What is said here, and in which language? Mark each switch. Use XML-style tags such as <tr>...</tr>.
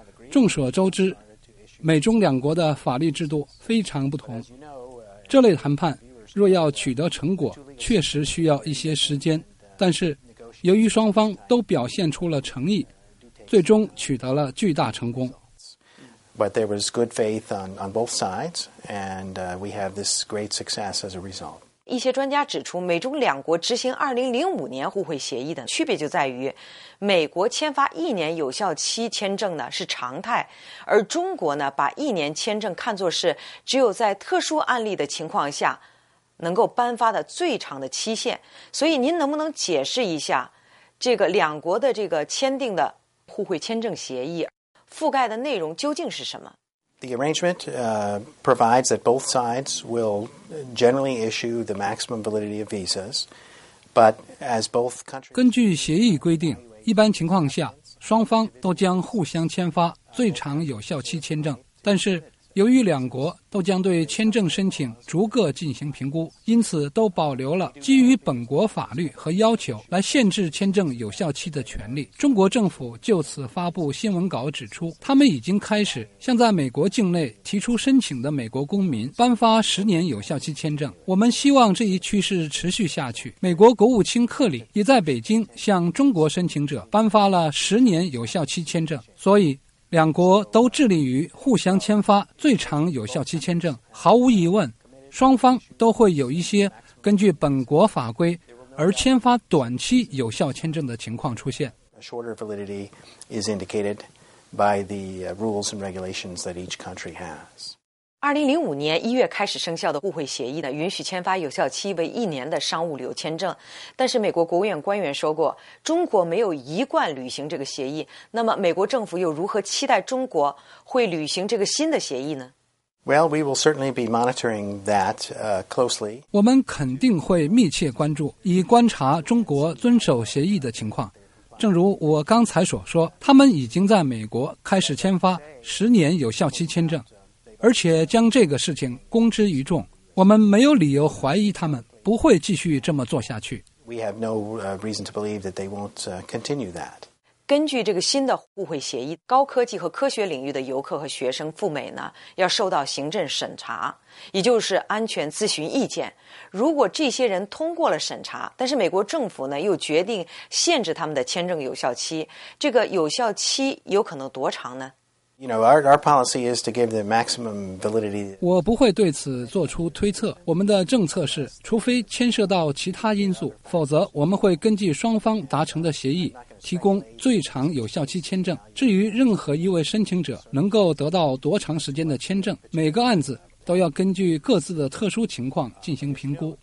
<zh>众所周知，美中两国的法律制度非常不同，这类谈判若要取得成果确实需要一些时间，但是由于双方都表现出了诚意，最终取得了巨大成功。</zh> <en>But there was good faith on both sides, and we have this great success as a result.</en> <zh>一些专家指出，美中两国执行2005年互惠协议的区别就在于，美国签发1年有效期签证呢是常态，而中国呢把1年签证看作是只有在特殊案例的情况下能够颁发的最长的期限。所以您能不能解释一下这个两国的这个签订的互惠签证协议覆盖的内容究竟是什么？</zh> <en>The arrangement provides that both sides will generally issue the maximum validity of visas, but as both countries</en> <zh>根据协议规定，一般情况下双方都将互相签发最长有效期签证，但是由于两国都将对签证申请逐个进行评估，因此都保留了基于本国法律和要求来限制签证有效期的权利。中国政府就此发布新闻稿指出，他们已经开始向在美国境内提出申请的美国公民颁发十年有效期签证。我们希望这一趋势持续下去。美国国务卿克里也在北京向中国申请者颁发了十年有效期签证，所以两国都致力于互相签发最长有效期签证。毫无疑问，双方都会有一些根据本国法规而签发短期有效签证的情况出现。</zh> <en>Shorter validity is indicated by the rules and regulations that each country has.</en> <zh>2005年1月开始生效的互惠协议呢，允许签发有效期为一年的商务旅游签证，但是美国国务院官员说过，中国没有一贯履行这个协议，那么美国政府又如何期待中国会履行这个新的协议呢？</zh> <en>Well, we will certainly be monitoring that closely.</en> <zh>我们肯定会密切关注，以观察中国遵守协议的情况。正如我刚才所说，他们已经在美国开始签发十年有效期签证，而且将这个事情公之于众，我们没有理由怀疑他们不会继续这么做下去。</zh> <en>We have no reason to believe that they won't continue that.</en> <zh>根据这个新的互惠协议，高科技和科学领域的游客和学生赴美呢，要受到行政审查，也就是安全咨询意见。如果这些人通过了审查，但是美国政府呢又决定限制他们的签证有效期，这个有效期有可能多长呢？</zh> <en>You know, our policy is to give the maximum validity.</en> <zh>我不会对此做出推测。我们的政策是，除非牵涉到其他因素，否则我们会根据双方达成的协议提供最长有效期签证。至于任何一位申请者能够得到多长时间的签证，每个案子都要根据各自的特殊情况进行评估。</zh>